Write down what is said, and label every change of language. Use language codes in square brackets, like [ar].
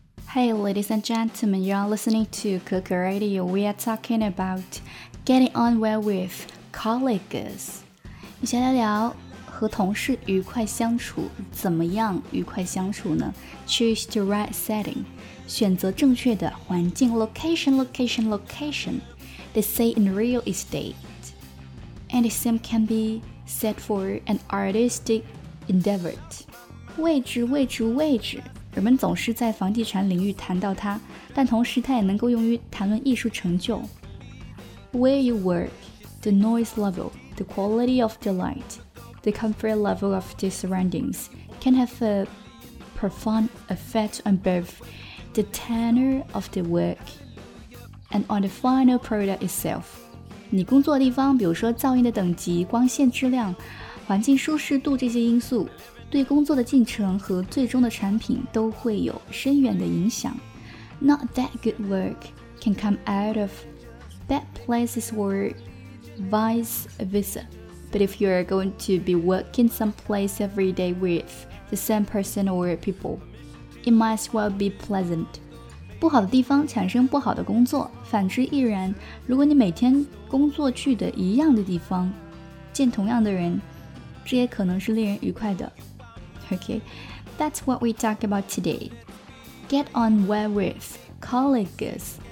[en] Hey, ladies and gentlemen, you are listening to Coco Radio. We are talking about getting on well with colleagues. [zh] 你想要聊和同事愉快相处，怎么样愉快相处呢？ [en] Choose the right setting. [zh] 选择正确的环境 [en] location. They say in real estate. And the same can be said for an artistic endeavor. [zh] 位置。人们总是在房地产领域谈到它，但同时它也能够用于谈论艺术成就。 [en] Where you work, the noise level, the quality of the light, the comfort level of the surroundings can have a profound effect on both the tenor of the work and on the final product itself. [zh] 你工作的地方，比如说噪音的等级、光线质量、环境舒适度这些因素，对工作的进程和最终的产品都会有深远的影响。 [en] Not that good work can come out of bad places or vice versa. But if you are going to be working someplace every day with the same person or people, it might as well be pleasant. [zh] 不好的地方产生不好的工作，反之亦然。如果你每天工作去的一样的地方，见同样的人，这也可能是令人愉快的。 [en] Okay, that's what we talk about today. Get on well with colleagues.